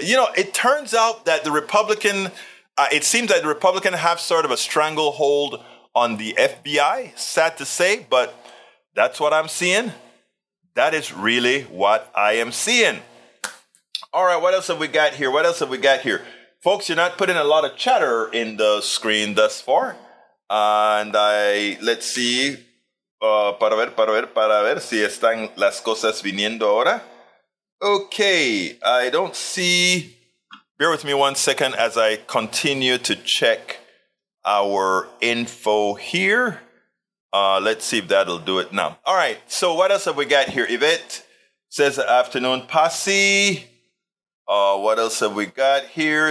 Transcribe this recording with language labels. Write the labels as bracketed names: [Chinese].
[English] You know, it turns out that the Republican, it seems that the Republican have sort of a stranglehold on the FBI, sad to say, but that's what I'm seeing. That is really what I am seeing. All right, what else have we got here? Folks, you're not putting a lot of chatter in the screen thus far. Let's see. [Spanish] Para ver si están las cosas viniendo ahora. [English] Okay, I don't see. Bear with me 1 second as I continue to check our info here. Let's see if that'll do it now. All right, so what else have we got here? Yvette says, afternoon, Posse. What else have we got here?